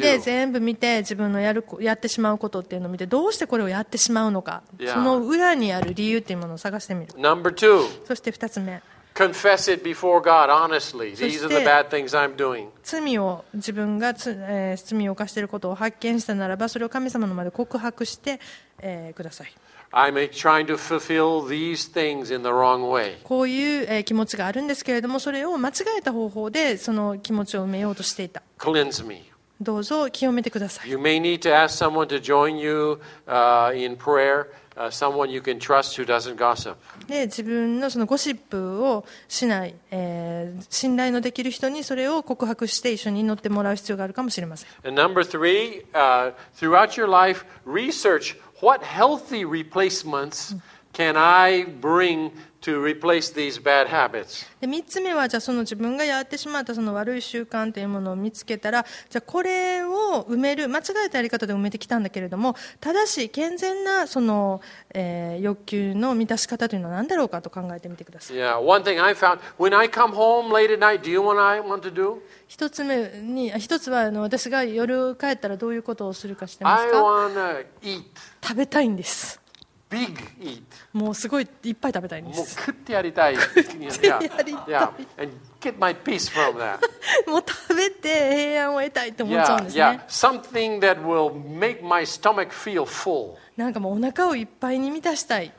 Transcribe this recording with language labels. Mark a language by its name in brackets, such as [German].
[Japanese] で、全部見て、自分のやってしまうことっていうのを見て、どうしてこれをやってしまうのか、その裏にある理由っていうものを探してみる。 [English] Number two. [Japanese] そして二つ目。 [English] Confess it before God, honestly. These are the bad things I'm doing. [Japanese] 罪を、自分が、罪を犯していることを発見したならば、それを神様の前で告白して、ください。 [English] I'm trying to fulfill these things in the wrong way. [Japanese] こういう、気持ちがあるんですけれども、それを間違えた方法でその気持ちを埋めようとしていた。 [English] Cleanse me. [Japanese] どうぞ清めてください。 [English] You may need to ask someone to join you, in prayer. Someone you can trust who doesn't gossip. [Japanese] で、自分のそのゴシップをしない、信頼のできる人にそれを告白して一緒に祈ってもらう必要があるかもしれません。 [English] And number three, throughout your life, research. What healthy replacements can I bring to replace these bad habits? [Japanese] で、3つ目はじゃあその自分がやってしまったその悪い習慣というものを見つけたら、じゃあこれを埋める、間違えたやり方で埋めてきたんだけれども、正しい健全なその、欲求の満たし方というのは何だろうかと考えてみてください。 [English] Yeah, one thing I found when I come home late at night, do you want I want to do? [Japanese] 一つは私が夜帰ったらどういうことをするかしてますか? [English] I wanna eat. [Japanese] 食べたいんです。 [English] Big eat. [Japanese] もうすごいいっぱい食べたいんです。もう食ってやりたい。食ってやりたい。 [English] Yeah. And get my peace from that. [Japanese] もう食べ滑って平安を得たいと思っちゃうんですね。 [English] yeah, something that will make my stomach feel full. [Japanese] なんかもうお腹をいっぱいに満たしたい。